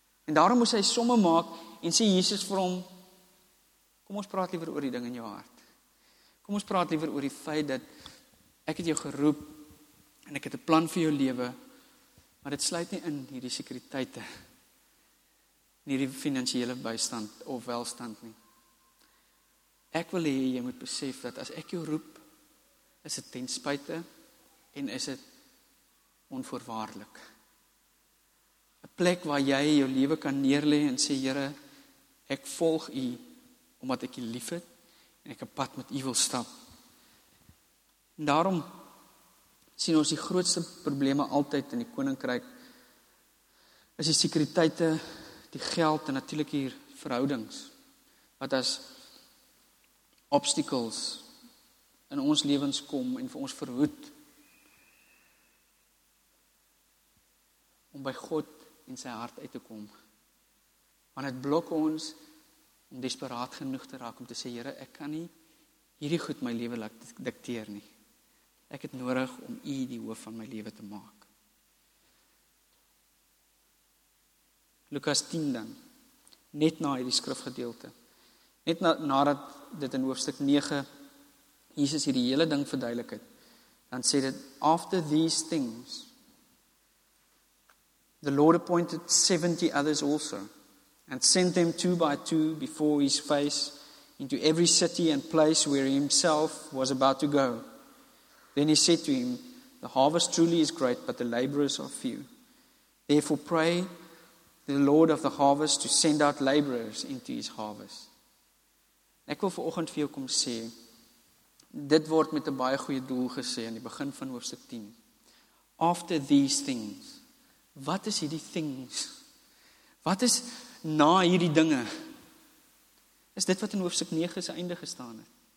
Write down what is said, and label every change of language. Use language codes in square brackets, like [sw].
[af] En daarom moes hy somme maak en sê Jesus vir hom, kom ons praat liever oor die ding in jou hart. Kom ons praat liever oor die feit dat ek het jou geroep en ek het 'n plan vir jou lewe, maar dit sluit nie in hierdie sekuriteite. Nie die financiële bystand of welstand nie. Ek wil hê jy moet besef dat as ek jou roep, is dit ten spyte en is dit onvoorwaardelik. 'N plek waar jy jou lewe kan neerlê en sê, Here, ek volg u omdat ek u lief het en ek 'n pad met u wil stap. En daarom sien ons die grootste probleme altyd in die koninkryk is die sekuriteite, die geld en natuurlik hier verhoudings, wat as obstacles in ons lewens kom en vir ons verhoed om by God en sy hart uit te kom. Want het blok ons om desperaat genoeg te raak om te sê, Here, ek kan nie hierdie goed my lewe laat dikteer nie. Ek het nodig om u die hoof van my lewe te maak. Lukas 10 dan, net na hierdie skrifgedeelte, net nadat dit in hoofstuk 9, Jesus hierdie hele ding verduidelik het, dan sê dit, [en] after these things, the Lord appointed 70 others also, and sent them two by two before his face into every city and place where he himself was about to go. Then he said to him, the harvest truly is great, but the laborers are few. Therefore pray the Lord of the harvest to send out laborers into his harvest. [af] Ek wil vanoggend vir jou kom sê, dit word met 'n baie goeie doel gesê in die begin van hoofstuk 10. [en] After these things, [af] wat is hierdie [en] things? [af] Wat is na hierdie dinge? Is dit wat in hoofstuk 9 se einde gestaan het?